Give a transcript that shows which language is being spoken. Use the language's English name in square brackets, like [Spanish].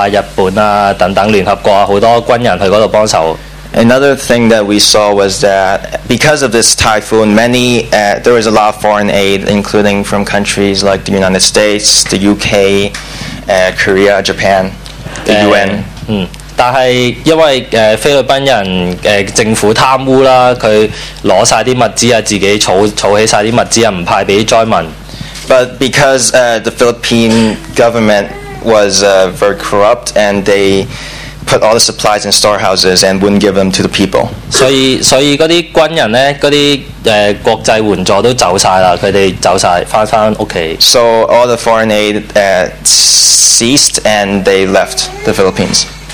[Chinese] 還有一個體會很深刻的就是，因為這個風災，所以那時有很多外國的軍隊、軍人去幫忙，例如好像美國、日本、等等聯合國，很多軍人去那裡幫忙。 [English] Another thing that we saw was that because of this typhoon, many there was a lot of foreign aid, including from countries like the United States, the UK, Korea, Japan, the UN. [Chinese] 但是因為菲律賓人政府貪污，他拿了物資，自己儲起物資，不派給災民。 [English] But because the Philippine government was very corrupt and they put all the supplies in storehouses and wouldn't give them to the people. So all the foreign aid ceased and they left the Philippines.